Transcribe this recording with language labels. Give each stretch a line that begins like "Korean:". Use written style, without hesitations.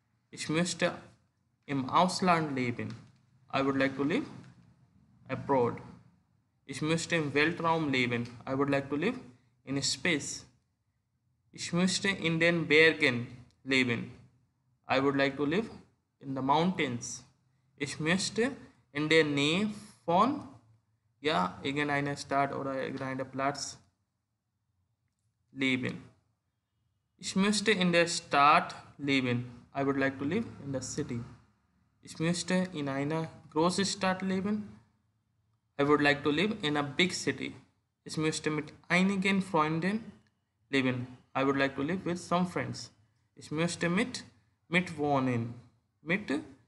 German: Ich möchte im Ausland leben.
English: I would like to live abroad.
German: Ich möchte im Weltraum leben.
English: I would like to live in space.
German: Ich möchte in den Bergen leben.
English: I would like to live in the mountains.
German: Ich möchte in der Nähe von, ja, irgendeiner Stadt oder irgendeiner Platz leben. Ich möchte in der Stadt leben.
English: I would like to live in the city.
German: Ich möchte in einer großen Stadt leben.
English: I would like to live in a big city.
German: Ich möchte mit einigen Freunden leben.
English: I would like to live with some friends.
German: Ich möchte mit wohnen leben.